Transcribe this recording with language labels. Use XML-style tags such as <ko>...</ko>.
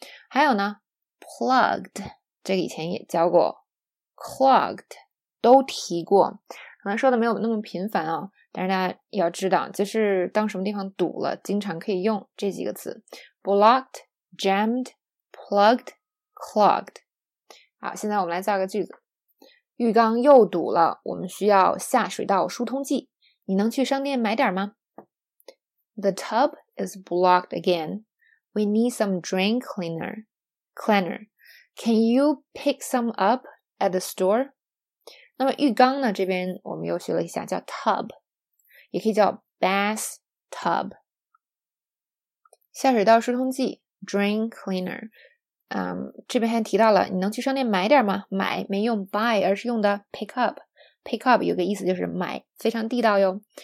<zh>还有呢 plugged， 这个以前也教过， clogged 都提过，可能说的没有那么频繁啊，但是大家要知道，就是当什么地方堵了，经常可以用这几个词 ：blocked、jammed、plugged、clogged。好，现在我们来造个句子：浴缸又堵了，我们需要下水道疏通剂。你能去商店买点吗 ？</zh> <en>The tub is blocked again. We need some drain cleaner. Can you pick some up at the store?</en> <zh>那么浴缸呢，这边我们又学了一下叫 tub， 也可以叫 bathtub。下水道疏通剂 drain cleaner， 这边还提到了你能去商店买点吗？买没用 buy， 而是用的 pick up。pick up 有个意思就是买，非常地道哟。</zh>